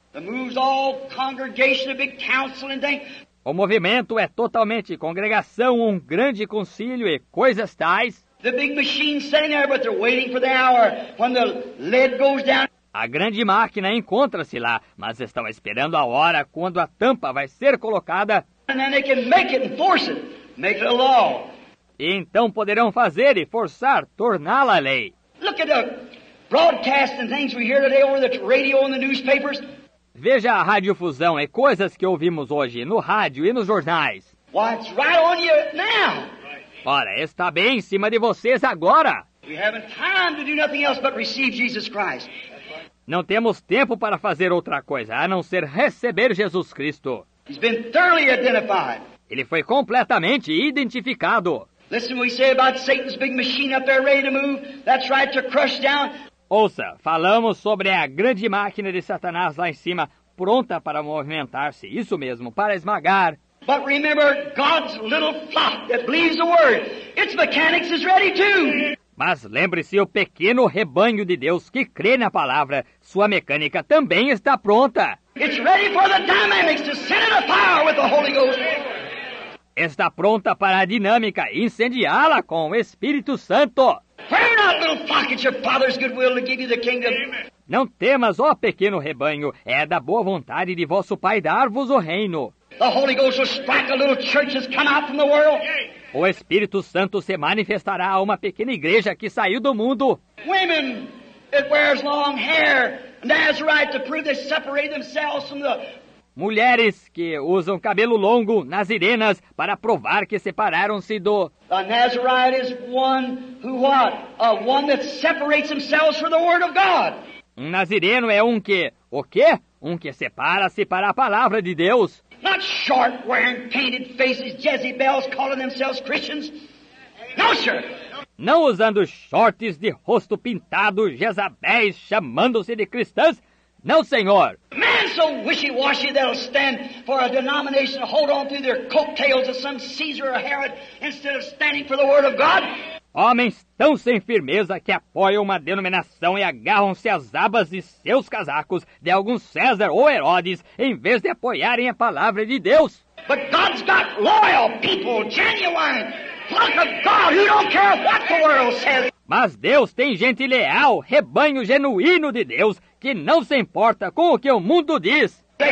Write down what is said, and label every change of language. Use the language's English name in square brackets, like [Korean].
[English] The moves all congregation, a big council and things. [Portuguese] O movimento é totalmente congregação, um grande concílio e coisas tais. [English] The big machine sitting there, but they're waiting for the hour when the lid goes down. [Portuguese] A grande máquina encontra-se lá, mas estão esperando a hora quando a tampa vai ser colocada. [English] And then they can make it and force it, make it a law. [Portuguese] E então poderão fazer e forçar, torná-la lei. [English] Look at the broadcast and things we hear today over the radio and the newspapers. [Portuguese] Veja a radiofusão e coisas que ouvimos hoje no rádio e nos jornais. [English] Why, it's right on you now. [Portuguese] Ora, está bem em cima de vocês agora. [English] We haven't time to do nothing else but receive Jesus Christ. [Portuguese] Não temos tempo para fazer outra coisa, a não ser receber Jesus Cristo. [English] He's been thoroughly identified. [Portuguese] Ele foi completamente identificado. [English] Listen, we say about Satan's big machine up there ready to move. That's right, to crush down. [Portuguese] Ouça, falamos sobre a grande máquina de Satanás lá em cima, pronta para movimentar-se, isso mesmo, para esmagar. [English] But remember, God's little flock that believes the word, its mechanics is ready too. [Portuguese] Mas lembre-se, o pequeno rebanho de Deus que crê na palavra, sua mecânica também está pronta. [English] It's ready for the dynamics to set it afire with the Holy Ghost. [Portuguese] Está pronta para a dinâmica incendiá-la com o Espírito Santo. [English] Pray not, little flock, it's your Father's good will to give you the kingdom. Amen. [Portuguese] Não temas, ó pequeno rebanho, é da boa vontade de vosso Pai dar-vos o reino. [English] The Holy Ghost will strike a little church that's come out from the world. [Portuguese] O Espírito Santo se manifestará a uma pequena igreja que saiu do mundo. [English] Women that wears long hair, Nazarite, to prove they separate themselves from the... [Portuguese] Mulheres que usam cabelo longo, nazirenas, para provar que separaram-se do... [English] A Nazarite is one who what? One that separates themselves from the word of God. [Portuguese] Um nazireno é um que... O quê? Um que separa-se para a palavra de Deus. [English] Not short, wearing painted faces, Jezebels calling themselves Christians. No, sir. [Portuguese] Não usando shorts de rosto pintado, Jezabéis chamando-se de cristãs. Não, senhor. [English] Man so wishy-washy they'll stand for a denomination to hold on through their coattails of some Caesar or Herod instead of standing for the word of God. [Portuguese] Homens tão sem firmeza que apoiam uma denominação e agarram-se às abas de seus casacos de algum César ou Herodes em vez de apoiarem a palavra de Deus. [English] But God's got loyal people, genuine, flock of God who don't care what the world says. [Portuguese] Mas Deus tem gente leal, rebanho genuíno de Deus, que não se importa com o que o mundo diz.